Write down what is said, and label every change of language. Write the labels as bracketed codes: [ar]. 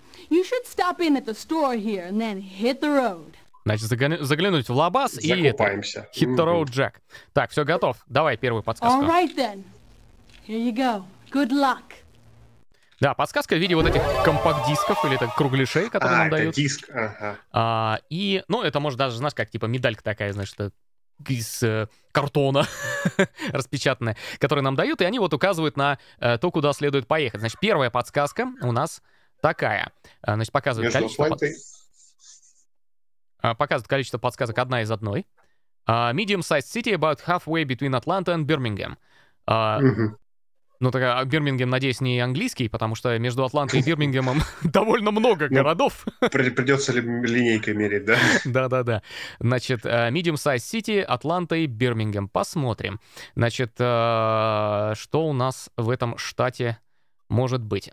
[en] You should stop in at the store here and then hit the road. [ru] Значит, заглянуть в лабаз и закупаемся. [en] Hit the road, Jack. [ru] Так, все готов. Давай первую подсказку. [en] All right then. Here you go. Good luck. [ru] Да, подсказка в виде вот этих компакт-дисков или так кругляшей, которые нам дают. А, это диск. Ага. И, ну, это может даже, знаешь, как типа медалька такая, значит, из картона распечатанная, которые нам дают, и они вот указывают на то, куда следует поехать. Значит, первая подсказка у нас такая. Значит, показывает количество, показывает количество подсказок одна из одной. [en] Medium-sized city about halfway between Atlanta and Birmingham. [ru] Ну, так, Бирмингем, надеюсь, не английский, потому что между Атлантой и Бирмингемом довольно много городов. Придется ли линейкой мерить, да? Да-да-да. Значит, [en] medium-sized city, [ru] Атланта и Бирмингем. Посмотрим. Значит, что у нас в этом штате... Может быть.